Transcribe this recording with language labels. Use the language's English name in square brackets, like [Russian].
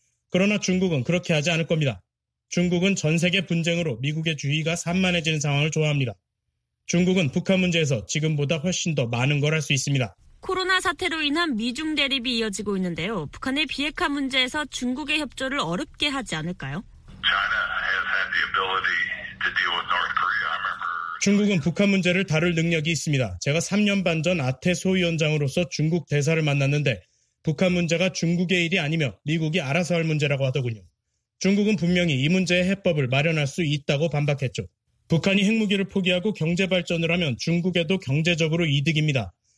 [Korean] 그러나 중국은 그렇게 하지 않을 겁니다. 중국은 전 세계 분쟁으로 미국의 주의가 산만해지는 상황을 좋아합니다. 중국은 북한 문제에서 지금보다 훨씬 더 많은 걸 할 수 있습니다. 코로나 사태로 인한 미중 대립이 이어지고 있는데요. 북한의 비핵화 문제에서 중국의 협조를 어렵게 하지 않을까요? [English] China has had the ability to deal with North Korea. [Korean] 중국은 북한 문제를 다룰 능력이 있습니다. 제가 3년 반 전 아태소위원장으로서 중국 대사를 만났는데 북한 문제가 중국의 일이 아니며 미국이 알아서 할 문제라고 하더군요. 중국은 분명히 이 문제의 해법을 마련할 수 있다고 반박했죠. 북한이 핵무기를 포기하고 경제발전을 하면 중국에도 경제적으로 이득입니다.